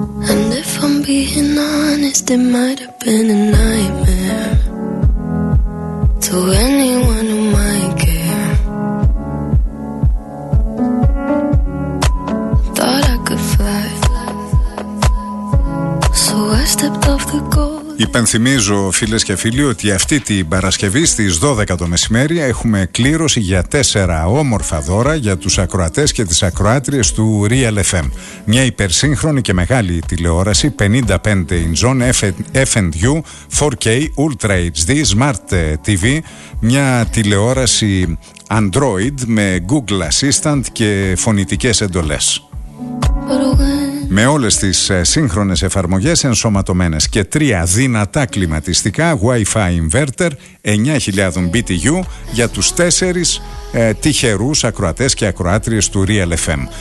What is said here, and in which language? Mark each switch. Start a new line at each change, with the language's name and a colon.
English: And if I'm being honest, it might have been a nightmare to anyone who might care. Thought I could fly, so I stepped off the gold.
Greek: Υπενθυμίζω, φίλες και φίλοι, ότι αυτή την Παρασκευή στις 12 το μεσημέρι έχουμε κλήρωση για 4 όμορφα δώρα για τους ακροατές και τις ακροάτριες του Real FM. Μια υπερσύγχρονη και μεγάλη τηλεόραση 55 inch F&U 4K Ultra HD Smart TV. Μια τηλεόραση Android με Google Assistant και φωνητικές εντολές. Με όλες τις σύγχρονες εφαρμογές ενσωματωμένες και 3 δυνατά κλιματιστικά Wi-Fi inverter 9000 BTU για τους 4 τυχερούς ακροατές και ακροάτριες του Real FM.